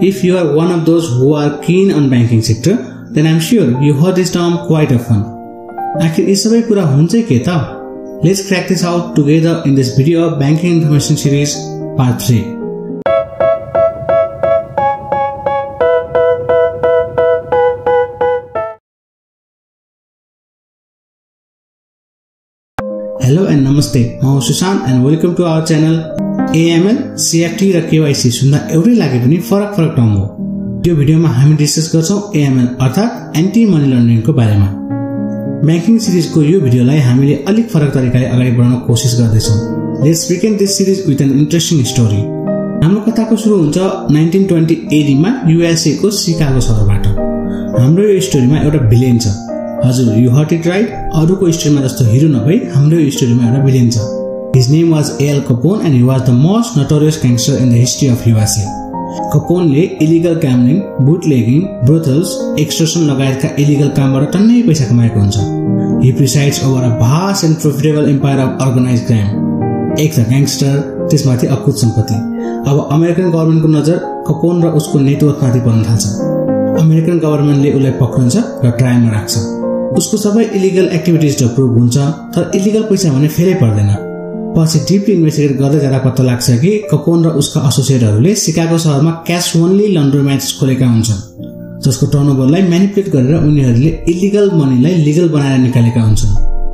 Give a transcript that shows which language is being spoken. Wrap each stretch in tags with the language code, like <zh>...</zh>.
<en>If you are one of those who are keen on banking sector, then I'm sure you heard this term quite often.</en> <ne>आखिर इस सबै कुरा हुन्छ के त?</ne> <en>Let's crack this out together in this video of Banking Information Series Part 3. Hello and Namaste, I'm Sushant and welcome to our channel AML, CFT or KYC.</en> <ne>सुन्दा एउटै लागे पनि फरक फरक टर्म हो. यो भिडियोमा हामी डिस्कस गर्छौँ AML अर्थात् एन्टी मनी लन्ड्रिङको बारेमा. ब्याङ्किङ सिरिजको यो भिडियोलाई हामीले अलिक फरक तरिकाले अगाडि बढाउन कोसिस गर्दैछौँ.</ne> <en>Let's begin this series with an interesting story.</en> <ne>हाम्रो कथाको सुरु हुन्छ 1920 AD युएसएको सिकागो सहरबाट. हाम्रो यो स्टोरीमा एउटा भिलेन छ. हजुर,</ne> <en>you heard it right,</en> <ne>अरूको स्टोरीमा जस्तो हिरो नभई हाम्रो यो स्टोरीमा एउटा भिलेन छ.</ne> <en>His name was Al Capone and he was the most notorious gangster in the history of USA.</en> <ne>कपोनले illegal gambling, बुटलेगिङ, brothels, एक्सट्रसन लगायतका इलिगल कामबाट टन्नै पैसा कमाएको हुन्छ.</ne> <en>He presides over a vast and profitable empire of organize crime.</en> <ne>एक त gangster, त्यसमाथि अकुत सम्पत्ति. अब अमेरिकन गभर्मेन्टको नजर कपोन र उसको नेटवर्कमाथि पर्न थाल्छ. अमेरिकन गभर्मेन्टले उसलाई पक्रन्छ र ट्रायलमा राख्छ. उसको सबै इलिगल एक्टिभिटिज अप्रुभ हुन्छ, तर इलिगल पैसा भने फेरै पर्दैन. पछि डिपली इन्भेस्टिगेट गर्दै जाँदा पत्ता लाग्छ कि कपोन र उसका एसोसिएटहरूले सिकागो सहरमा क्यास ओन्ली लन्ड्री म्याच खोलेका हुन्छन्, जसको टर्नओभरलाई म्यानिपुलेट गरेर उनीहरूले इलिगल मनीलाई लिगल बनाएर निकालेका हुन्छन्.</ne>